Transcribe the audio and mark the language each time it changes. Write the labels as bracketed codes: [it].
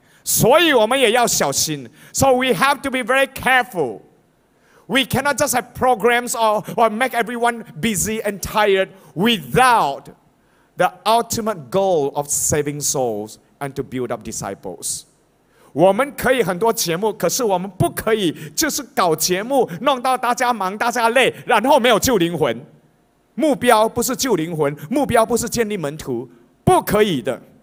[zh] 所以我们也要小心, [en] so we have to be very careful. We cannot just have programs or make everyone busy and tired without the ultimate goal of saving souls and to build up disciples. [zh] 我们可以很多节目, 可是我们不可以就是搞节目, 弄到大家忙, 大家累, 然后没有救灵魂。目标不是救灵魂, 目标不是建立门徒, 不可以的。